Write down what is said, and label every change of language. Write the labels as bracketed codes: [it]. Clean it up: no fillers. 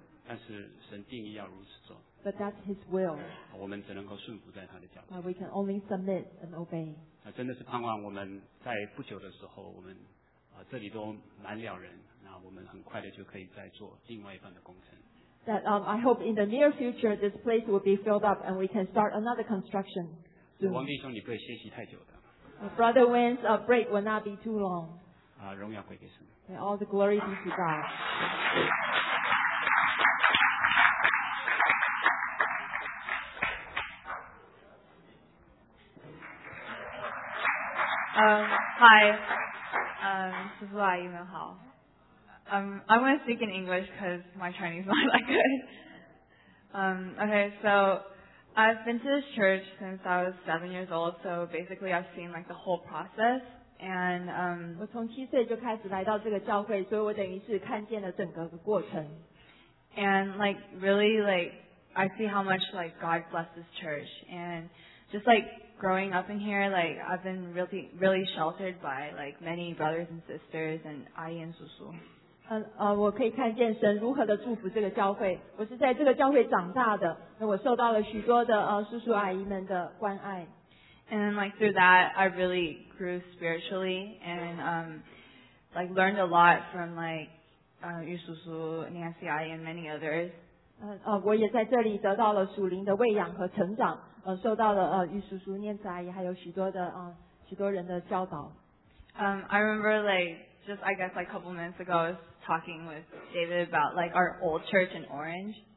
[zh] 但是神定义要如此做。 [en] But that's His will. [zh] 我们只能够顺服在他的脚下。 [en] But we can only submit and obey. [zh] 真的是盼望我们在不久的时候，我们这里都满了人，那我们很快的就可以再做另外一份的工程。 [en] That I hope in the near future this place will be filled up and we can start another construction. [zh] 王弟兄，你不会歇息太久的。 [en] Brother Wen's break will not be too long. [zh] 荣耀归给神。 [en] May all the glory be to God. [zh] 嗨，师傅阿姨们好。 [en] I'm going to speak in English because my Chinese not that good. Okay, so I've been to this church since I was 7 years old, so basically I've seen like the whole process. And [zh] 我从七岁就开始来到这个教会，所以我等于是看见了整个的过程。 [en] And like really like I see how much like God blessed this church and just like. Growing up in here, like, I've been really, really sheltered by, like, many brothers and sisters and [zh] 阿姨 [en] and [zh] 叔叔. 我可以看见神如何的祝福这个教会。我是在这个教会长大的，那我受到了许多的叔叔阿姨们的关爱。 [en] And, like, through that, I really grew spiritually and, like, learned a lot from, like, 余叔叔 Nancy 阿姨 and many others. [zh] 我也在这里得到了属灵的喂养和成长。受到了玉叔叔念慈阿姨还有许多的许多人的教导。 [en] I remember like just I guess like a couple minutes ago I was talking with David about like our old church in Orange.